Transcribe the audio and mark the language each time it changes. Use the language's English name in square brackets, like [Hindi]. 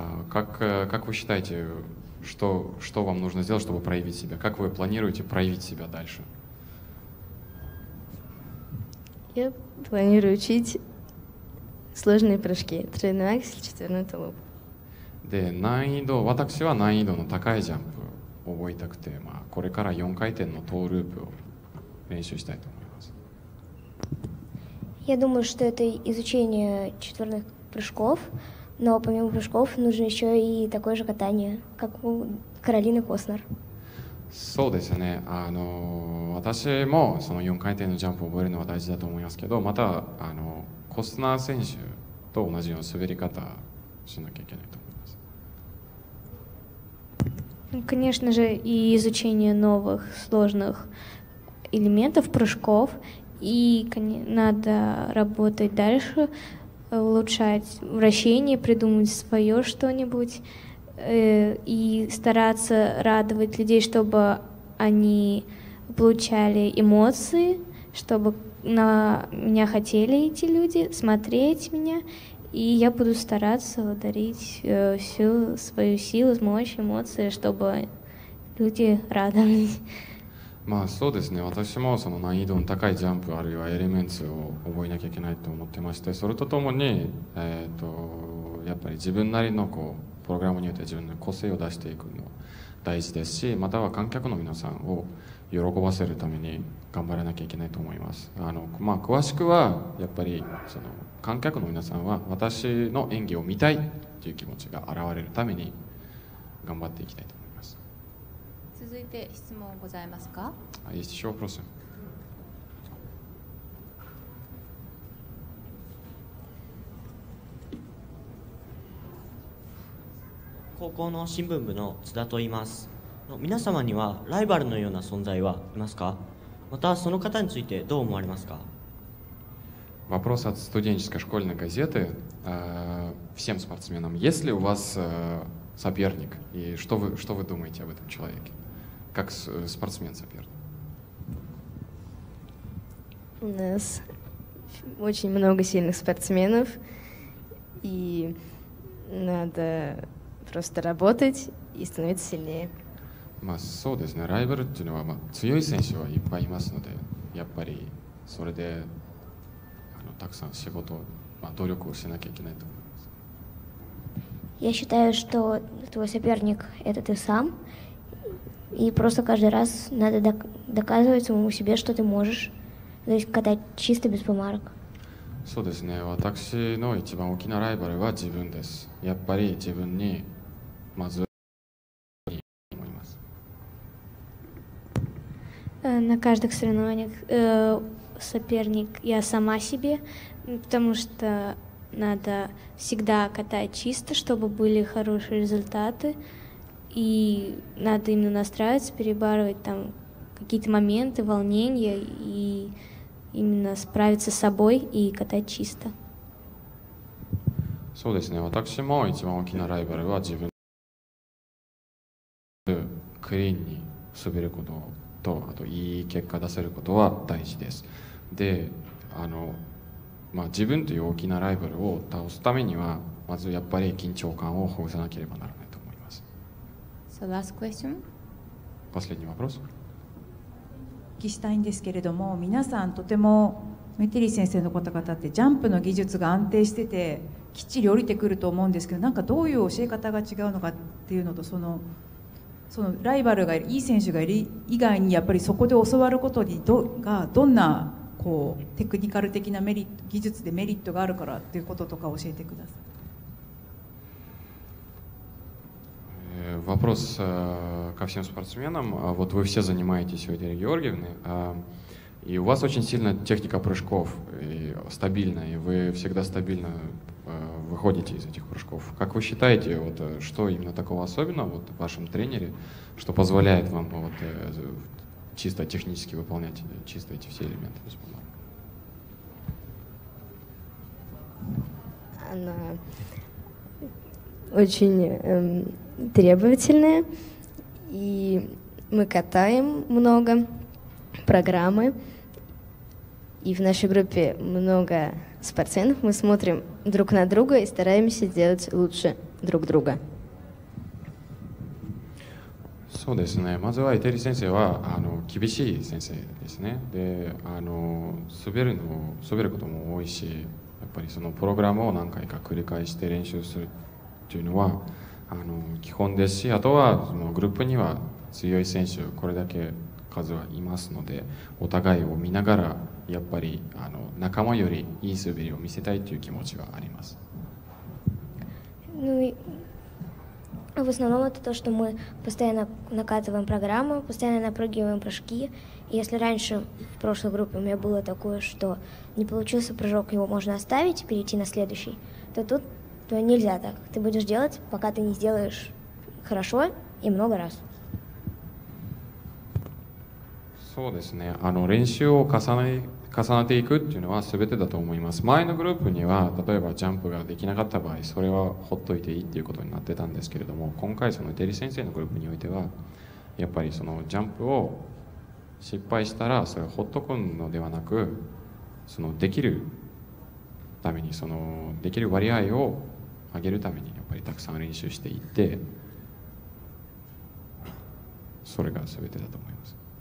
[Russian] Как вы считаете, что вам нужно сделать, чтобы проявить себя? Как вы планируете проявить себя дальше? Я планирую учить сложные прыжки. Тройной аксель, четверной тулуп. [Japanese] で、難易度、私は難易度の高いジャンプを覚えたくて、まあ、これから4回転のトーループを練習したいと思います。 [Russian] Я думаю, что это изучение четверных прыжков, но помимо прыжков нужно еще и такое же катание, как Каролина Костнер. [Japanese] そうですね。あの、私もその4回転のジャンプを覚えるのは大事だと思いますけど、またあのコスナー選手と同じような滑り方をしなきゃいけないと思います。 [Russian] Конечно же, и изучение новых сложных элементов прыжков, и надо работать дальше, улучшать вращение, придумать свое что-нибудь. И стараться радовать людей, чтобы они получали эмоции, чтобы на меня хотели эти люди смотреть меня, и я буду стараться дарить всю свою силу, мощь, эмоции, чтобы люди радовались. Ну, [Japanese] そうですね。私もその難易度の高いジャンプあるいはエレメンツを覚えなきゃいけないと思ってまして、それとともに、やっぱり自分なりのこうプログラムによって自分の個性を出していくのは大事ですし、または観客の皆さんを喜ばせるために頑張らなきゃいけないと思います。あの、まあ、詳しくはやっぱりその観客の皆さんは私の演技を見たいという気持ちが現れるために頑張っていきたいと思います。続いて質問ございますか？はい、ショープロス。高校の新聞部の津田と言います。皆様にはライバルのような存在はいますか？またその方についてどう思われますか？ [Russian] Вопрос от студенческой школьной газеты. Всем спортсменам, есть ли у вас соперник? И что вы думаете об этом человеке? Как спортсмен-соперник? У нас очень много сильных спортсменов. И надо... Просто работать и становиться сильнее. [Japanese] まあそうですね。ライバルっていうのは、まあ、強い選手はいっぱいいますので、やっぱりそれであのたくさん仕事、まあ、努力をしなきゃいけないと思います。 [Russian] Я считаю, что твой соперник это ты сам, и просто каждый раз надо доказывать самому себе, что ты можешь, то есть когда чисто без помарок. [Japanese] そうですね。私の一番大きなライバルは自分です。やっぱり自分にまず思います。 [Russian] На каждых соревнованиях соперник я сама себе, потому что надо всегда катать чисто, чтобы были хорошие результаты, и надо именно настраиваться, перебарывать там какие-то моменты, волнения и... Именно справиться с собой и катать чисто. [Japanese] そうですね。私も一番大きなライバルは自分でクリーンに滑ることとあといい結果出せることは大事です。で、あの、まあ、自分という大きなライバルを倒すためにはまずやっぱり緊張感をほぐさなければならないと思います。 [English] So last question. [Russian] Последний вопрос. [Japanese] お聞きしたいんですけれども、皆さんとてもメティリ先生の方々ってジャンプの技術が安定しててきっちり降りてくると思うんですけど、なんかどういう教え方が違うのかっていうのと、そのライバルがいい選手がいる以外にやっぱりそこで教わることにがどんなこうテクニカル的なメリット技術でメリットがあるからっていうこととか教えてください。 [Russian] Вопрос ко всем спортсменам. Вот вы все занимаетесь, Ирина Георгиевна, и у вас очень сильная техника прыжков, и стабильная, и вы всегда стабильно выходите из этих прыжков. Как вы считаете, вот, что именно такого особенного вот, в вашем тренере, что позволяет вам вот, чисто технически выполнять чисто эти все элементы без помарок? Она очень... Требовательная, и мы катаем много программы, и в нашей группе много спортсменов, мы смотрим друг на друга и стараемся делать лучше друг друга. [Japanese] そうですね。まずはイテリ先生はあの厳しい先生ですね。で、あの滑ることも多いし、やっぱりそのプログラムを何回か繰り返して練習するっていうのは。あの基本ですし、あとはそのグループには強い選手これだけ数はいますので、お互いを見ながらやっぱりあの仲間よりいい滑りを見せたいという気持ちはあります。 [Russian] Ну, В основном это то, что мы постоянно накатываем программу, постоянно напрыгиваем прыжки. И если раньше в прошлой группе у меня было такое, что не получился прыжок, его можно оставить и перейти на следующий, то тут то нельзя так. Ты будешь делать, пока ты не сделаешь хорошо и много раз. [Japanese] そうですね、あの練習を重ねていくっていうのは全てだと思います。前のグループには例えばジャンプができなかった場合それはほっといていいっていうことになってたんですけれども、今回そのデリ先生のグループにおいてはやっぱりそのジャンプを失敗したらそれをほっとくのではなく、そのできるためにそのできる割合を上げるためにやっぱりたくさん練習していって、それが全てだと思います。